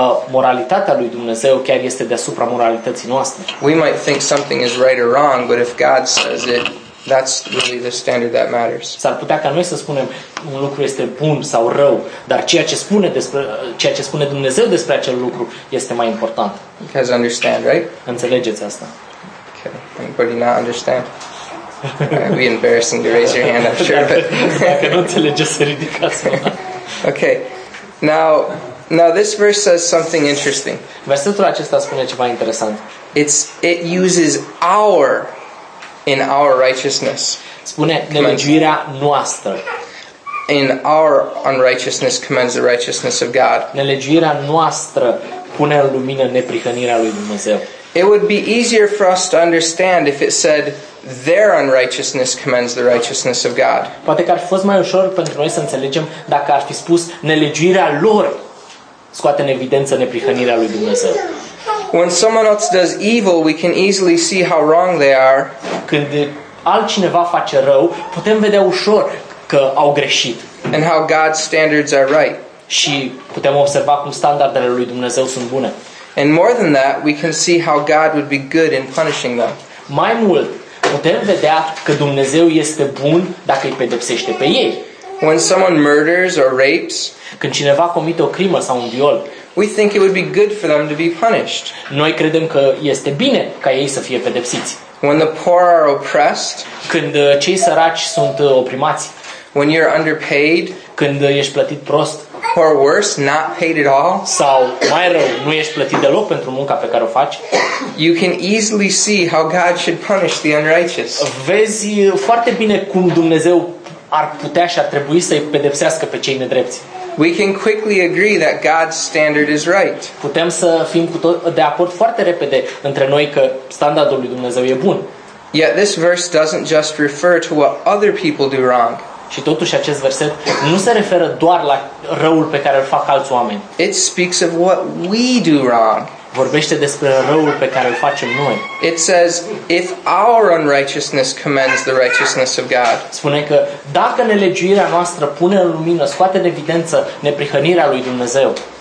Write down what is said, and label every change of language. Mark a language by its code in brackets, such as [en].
[ro] Moralitatea lui Dumnezeu chiar este deasupra moralității noastre. [en] We might think something is right or wrong, but if God says it, that's really the standard that matters. [ro] S-ar putea ca noi să spunem un lucru este bun sau rău, dar ceea ce spune Dumnezeu despre acel lucru este mai important. [en] You guys understand, right? [ro] Înțelegeți asta. [en] Okay. Anybody not understand? It'd be embarrassing to raise your hand, I'm sure. [ro] Dacă nu înțelegeți, să ridicați mâna. [en] Okay. Now this verse says something interesting. [ro] Versetul acesta spune ceva interesant. [en] It uses our in our righteousness. [ro] Spune nelegiuirea noastră. [en] In our unrighteousness commends the righteousness of God. [ro] Nelegiuirea noastră pune în lumină neprihănirea lui Dumnezeu. [en] It would be easier for us to understand if it said their unrighteousness commends the righteousness of God. [ro] Poate că ar fi fost mai ușor pentru noi să înțelegem dacă ar fi spus nelegiuirea lor scoate în evidență neprihănirea lui Dumnezeu. [en] When someone else does evil, we can easily see how wrong they are. [ro] Când altcineva face rău, putem vedea ușor că au greșit. [en] And how God's standards are right. [ro] Și putem observa cum standardele lui Dumnezeu sunt bune. [en] And more than that, we can see how God would be good in punishing them. [ro] Mai mult, putem vedea că Dumnezeu este bun dacă îi pedepsește pe ei. [en] When someone murders or rapes, [ro] când cineva comite o crimă sau un viol, [en] we think it would be good for them to be punished. [ro] Noi credem că este bine ca ei să fie pedepsiți. [en] When the poor are oppressed, [ro] când cei săraci sunt oprimați, [en] when you're underpaid, [ro] când ești plătit prost, [en] or worse, not paid at all, [ro] sau mai rău, nu ești plătit deloc pentru munca pe care o faci, [en] you can easily see how God should punish the unrighteous. [ro] Vezi foarte bine cum Dumnezeu ar putea și ar trebui să-i pedepsească pe cei nedrepți. [en] We can quickly agree that God's standard is right. [ro] Putem să fim de acord foarte repede între noi că standardul lui Dumnezeu e bun. [en] Yet this verse doesn't just refer to what other people do wrong. [ro] Și totuși acest verset nu se referă doar la răul pe care îl fac alți oameni. [en] It speaks of what we do wrong. [ro] Vorbește despre răul pe care îl facem noi. [en] It says, if our unrighteousness commends the righteousness of God. [ro] Spune că dacă nelegiuirea noastră pune în lumină, scoate în evidență neprihănirea lui Dumnezeu.